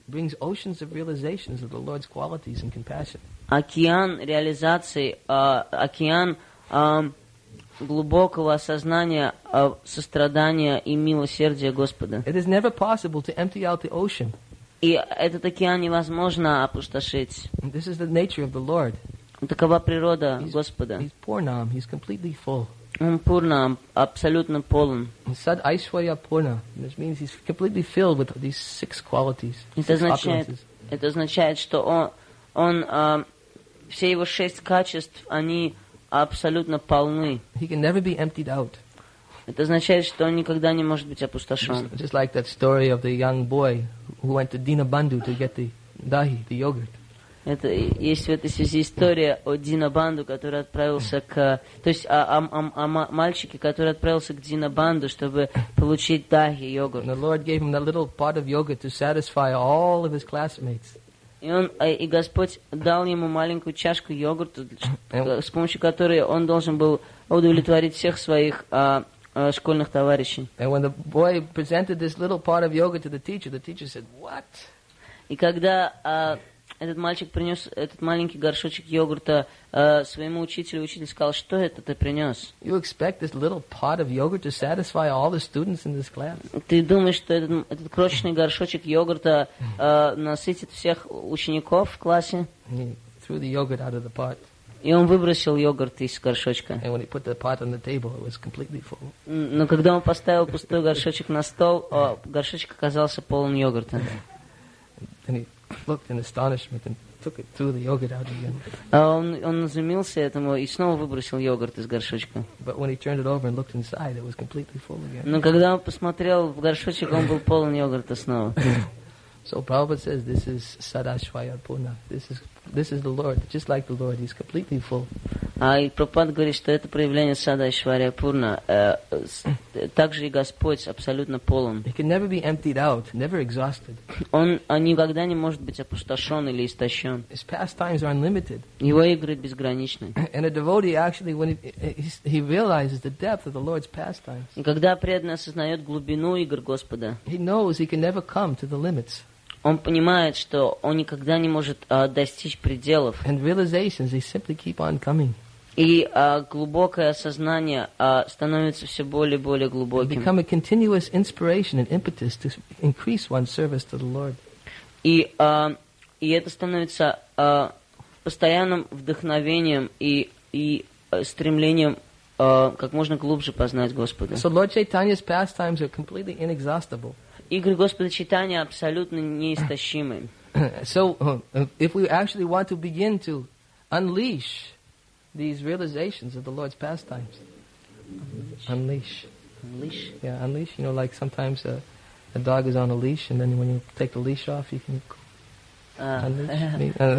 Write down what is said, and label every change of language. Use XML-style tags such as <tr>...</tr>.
<en>Brings oceans of realizations of the Lord's qualities and compassion.</en> <ru>Океан реализации, океан глубокого осознания сострадания и милосердия Господа.</ru> <en>It is never possible to empty out the ocean.</en> <ru>И этот океан невозможно опустошить.</ru> <en>And this is the nature of the Lord.</en> <ru>Такова природа Господа.</ru> <en>He's poor nam, he's completely full.</en> <ru>Он пурна, абсолютно полон.</ru> <en>He said Aishwarya Purna. This means he's completely filled with these six qualities.</en> <ru>Это означает, что он все его шесть качеств, они абсолютно полны.</ru> <en>He can never be emptied out.</en> <ru>Это означает, что он никогда не может быть опустошен.</ru> <en>Just like that story of the young boy who went to Dinabandhu to get the dahi, the yogurt.</en> <ru>Это есть в этой связи история о Динабанду, который отправился к, то есть о мальчике, который отправился к Динабанду, чтобы получить дахи йогурт.</ru> <en>And the Lord gave him that little pot of yogurt to satisfy all of his classmates.</en> <ru>И Господь дал ему маленькую чашку йогурта, с помощью которой он должен был удовлетворить всех своих школьных товарищей.</ru> <en>And when the boy presented this little pot of yogurt to the teacher said, "What?"</en> <ru>И когда этот мальчик принес этот маленький горшочек йогурта своему учителю. Учитель сказал, что это ты принес?</ru> <en>You expect this little pot of yogurt to satisfy all the students in this class?</en> <ru>Ты думаешь, что этот крошечный горшочек йогурта насытит всех учеников в классе?</ru> <en>He threw the yogurt out of the pot.</en> <ru>И он выбросил йогурт из горшочка.</ru> <en>And when he put the pot on the table, it was completely full.</en> <ru>Но когда он поставил пустой горшочек на стол, горшочек оказался полон йогурта.</ru> <en>Looked in astonishment and took it, threw the yogurt out again.</en> <ru>Он изумился этому и снова выбросил йогурт из горшочка.</ru> <en>But when he turned it over and looked inside, it was completely full again.</en> <ru>Но когда он посмотрел в горшочек, он был полон йогурта снова.</ru> <en>So Prabhupada says, this is Sadashwaya Puna. This is the Lord, just like the Lord. He's completely full.</en> <ru>А и Прабхупад говорит, что это проявление Садашвария Пурна. Также и Господь абсолютно полон.</ru> <en>He can never be emptied out, never exhausted.</en> <ru>Он никогда не может быть опустошен или истощен.</ru> <en>His pastimes are unlimited.</en> <ru>Его игры безграничны.</ru> <en>And a devotee actually, when he realizes the depth of the Lord's pastimes.</en> <ru>И когда преданный осознает глубину игр Господа.</ru> <en>He knows he can never come to the limits.</en> <ru>Он понимает, что он никогда не может достичь пределов.</ru> <en>And realizations, they simply keep on coming.</en> <ru>И глубокое осознание становится все более и более глубоким.</ru> <en>They become a continuous inspiration and impetus to increase one's service to the Lord.</en> <ru>И это становится постоянным вдохновением и стремлением как можно глубже познать Господа.</ru> <en>So Lord Chaitanya's pastimes are completely inexhaustible.</en> <ru>Игры Господа Чайтаньи абсолютно неистощимы.</ru> <en>So, if we actually want to begin to unleash these realizations of the Lord's pastimes. Unleash. Unleash? Yeah, unleash. You know, like sometimes a dog is on a leash, and then when you take the leash off, you can unleash.</en>